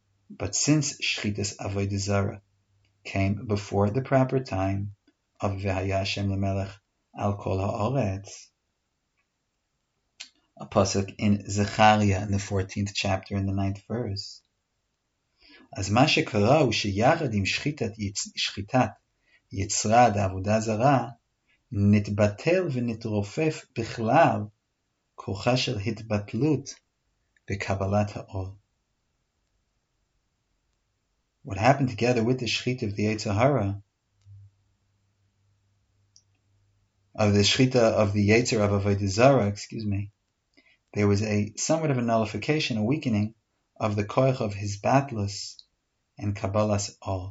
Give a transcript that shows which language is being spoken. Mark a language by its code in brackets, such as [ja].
[en] But since Shechitas Avodah Zarah came before the proper time of [he] v'haya Hashem lemelech al kol ha'oretz, [en] a pasuk in Zechariah in the 14th chapter in the 9th verse. [he] אז מה שקרה הוא שיחד עם שחיטת יצרה עד העבודה זרה, נתבטל ונתרופף בכלל כוחה של התבטלות בקבלת העול. [en] What happened together with the Shechita of the Yetzer Hara, of the Shechita of the Yetzer of Avodah Zarah, excuse me, there was a somewhat of a nullification, a weakening of the koich of Hizbatlus and Kabbalah's all.